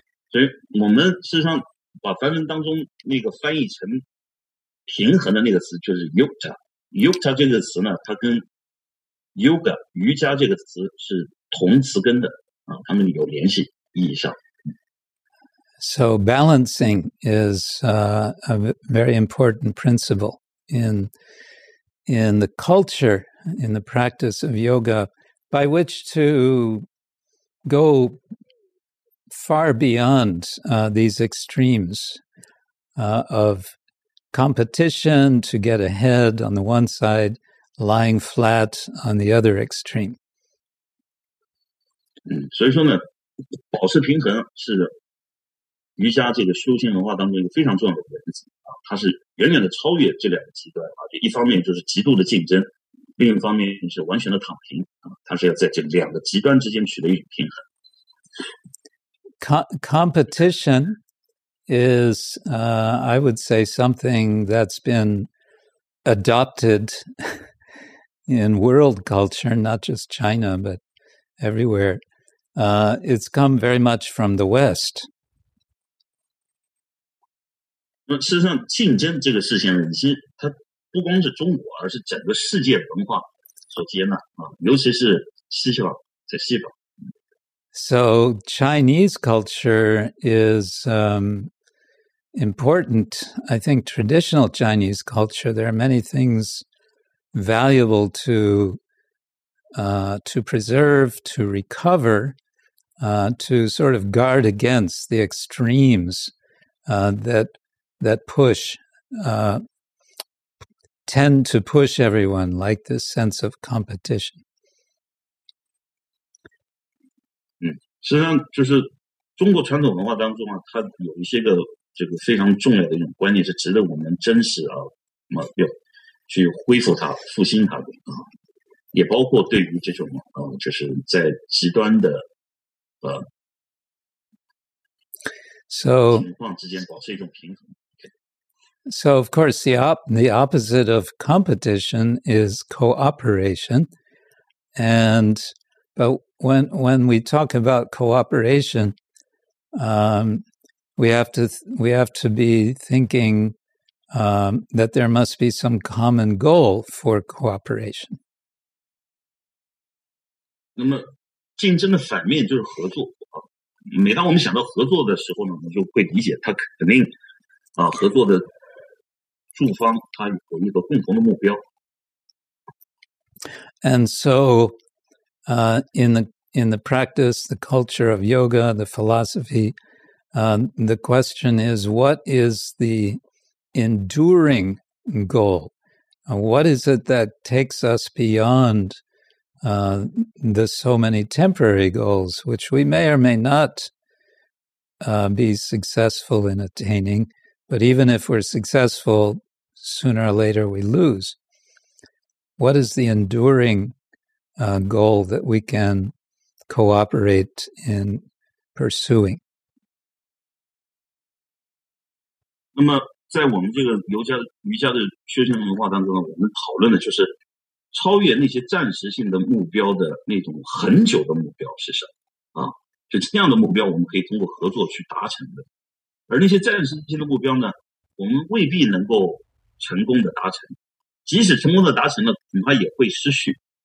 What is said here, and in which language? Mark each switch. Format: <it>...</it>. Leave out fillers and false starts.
<zh>所以我们事实上把梵文当中那个翻译成平衡的那个词就是 yukta。 yukta 这个词呢，它跟 yoga, 瑜伽这个词是同词根的，啊，它们有联系意义上。</zh> <en>So balancing is a very important principle in the culture, in the practice of yoga, by which to go far beyond these extremes of competition to get ahead on the one side, lying flat on the other extreme.</en> <zh>所以说呢，保持平衡是瑜伽这个修行文化当中一个非常重要的原则啊，它是远远的超越这两个极端啊，就一方面就是极度的竞争，另一方面是完全的躺平，它是要在这两个极端之间取得一种平衡。</zh> <en>Competition is, I would say, something that's been adopted in world culture, not just China, but everywhere. It's come very much from the West.</en> <zh>事实上，竞争这个事情，其实它不光是中国，而是整个世界文化所接纳，尤其是西方，在西方。</zh> <en>So Chinese culture is important. I think traditional Chinese culture, there are many things valuable to preserve, to recover, to sort of guard against the extremes that push, tend to push everyone, like this sense of competition.</en> <zh>实际上就是中国传统文化当中啊，它有一些个这个非常重要的一种观念是值得我们珍视啊，要去恢复它、复兴它的啊，也包括对于这种就是在极端的情况之间保持一种平衡。</zh> <en>So of course the opposite of competition is cooperation, and but. When we talk about cooperation, we have to be thinking that there must be some common goal for cooperation.</en> <zh>那么竞争的反面就是合作啊。每当我们想到合作的时候呢，我们就会理解它肯定啊，合作的诸方它有一个共同的目标。</zh> <en>And so, in the practice, the culture of yoga, the philosophy, the question is, what is the enduring goal? What is it that takes us beyond the so many temporary goals, which we may or may not be successful in attaining, but even if we're successful, sooner or later we lose. What is the enduring goal that we can cooperate in pursuing?</en> <zh>那么在我们这个瑜伽的修行文化当中呢，我们讨论的就是超越那些暂时性的目标的那种很久的目标是什么啊？就这样的目标我们可以通过合作去达成的，而那些暂时性的目标呢，我们未必能够成功的达成，即使成功的达成了，恐怕也会失去。</zh>